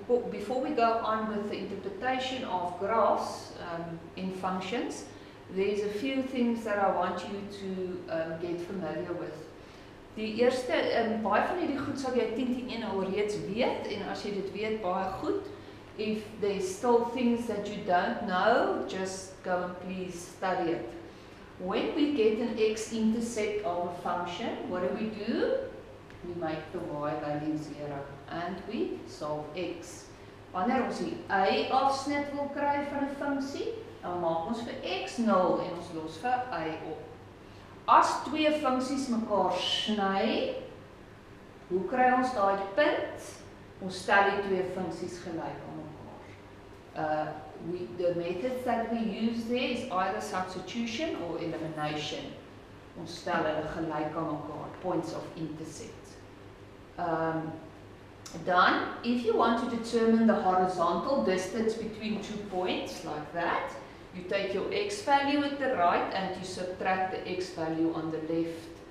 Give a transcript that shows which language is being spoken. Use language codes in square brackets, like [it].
[en] Before we go on with the interpretation of graphs in functions, there's a few things that I want you to get familiar with. [af] Die eerste, baie van hierdie goed sal jy 10-10-1 al reeds weet, en as jy dit weet, baie goed. [en] If there's still things that you don't know, just go and please study it. When we get an x-intercept of a function, what do? We make the y value 0 and we solve x. [af] Wanneer ons die y afsnit wil kry van 'n funksie, dan maak ons vir x 0 en ons los vir y op. As twee funksies mekaar sny, hoe kry ons daai punt? Ons stel die twee funksies gelyk aan mekaar. [en] The methods that we use there is either substitution or elimination. [af] Ons stel hulle gelyk aan mekaar, [en] points of intercept. Dan, if you want to determine the horizontal distance between two points, like that, you take your x value at the right and you subtract the x value on the left.